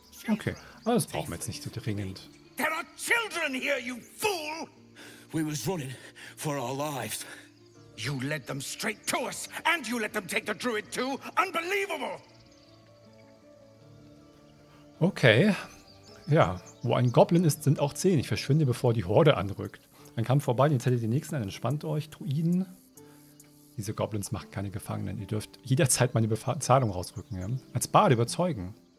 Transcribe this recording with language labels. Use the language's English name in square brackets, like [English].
[German] Okay, aber das brauchen wir jetzt nicht so dringend. [English] There are children here, you fool! We was running for our lives. You led them straight to us, and you let them take the druid too. Unbelievable! Okay. [German] Ja, wo ein Goblin ist, sind auch 10. Ich verschwinde, bevor die Horde anrückt. Ein Kampf vorbei, jetzt hättet ihr die Nächsten, dann entspannt euch, Druiden. Diese Goblins machen keine Gefangenen. Ihr dürft jederzeit meine Zahlung rausrücken, ja? Als Bard überzeugen.